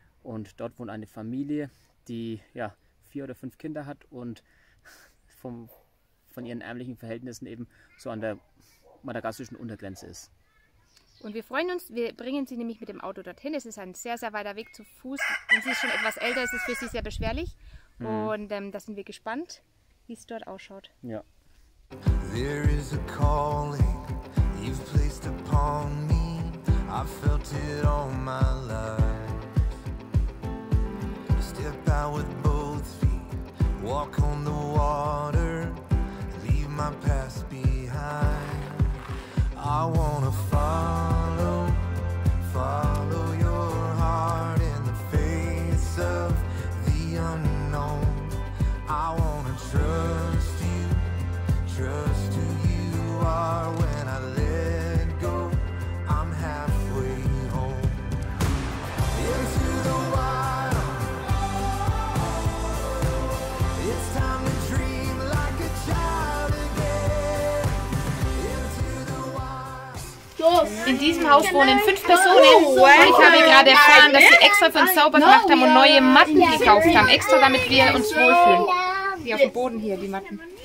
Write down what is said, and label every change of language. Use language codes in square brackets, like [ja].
[de] Und dort wohnt eine Familie, die ja 4 oder 5 Kinder hat und von ihren ärmlichen Verhältnissen eben so an der madagassischen Untergrenze ist. Und wir freuen uns, wir bringen sie nämlich mit dem Auto dorthin. Es ist ein sehr, sehr weiter Weg zu Fuß. Und sie ist schon etwas älter, es ist für sie sehr beschwerlich. Mhm. Und da sind wir gespannt, wie es dort ausschaut. Ja. [en] There is a calling you've placed upon me. I felt it all my life. Step out with both feet. Walk on the water. Leave my past behind. I wanna follow, follow your heart in the face of the unknown. I wanna trust you, trust who you are. When I let go, I'm halfway home. Into the wild, it's time to dream like a child again. Into the wild. [de] In diesem Haus wohnen 5 Personen. Und ich habe gerade erfahren, dass sie extra für uns sauber gemacht haben und neue Matten gekauft haben. Extra, damit wir uns wohlfühlen. Die auf dem Boden hier, die Matten.